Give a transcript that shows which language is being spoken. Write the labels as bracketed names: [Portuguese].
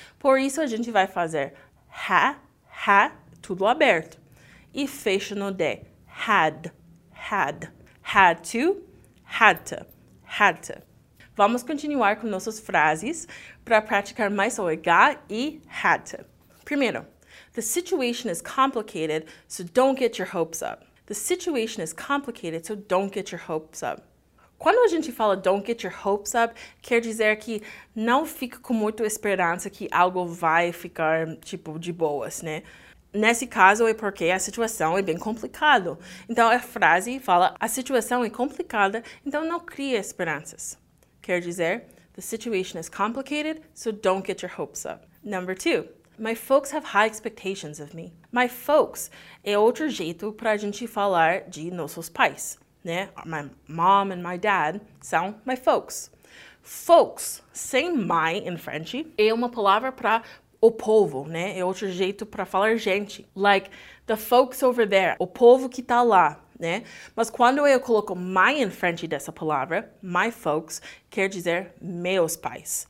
[Portuguese] Por isso a gente vai fazer ha, ha, tudo aberto. E fecha no D. Had, had. Had to, had to, had to. Vamos continuar com nossas frases para praticar mais o H e had to. Primeiro, [English] the situation is complicated, so don't get your hopes up. The situation is complicated, so don't get your hopes up. [Portuguese] Quando a gente fala [English] don't get your hopes up, [Portuguese] quer dizer que não fica com muita esperança que algo vai ficar, tipo, de boas, né? Nesse caso é porque a situação é bem complicada. Então a frase fala, a situação é complicada, então não cria esperanças. Quer dizer, [English] the situation is complicated, so don't get your hopes up. Number two. My folks have high expectations of me. My folks [Portuguese] é outro jeito para a gente falar de nossos pais, né? [English] My mom and my dad [Portuguese] são [English] my folks. [Portuguese] Folks, sem my [English] in French, [Portuguese] é uma palavra para o povo, né? É outro jeito para falar gente. [English] Like, the folks over there, [Portuguese] o povo que tá lá, né? Mas quando eu coloco my [English] in French [Portuguese] dessa palavra, [English] my folks, [Portuguese] quer dizer meus pais.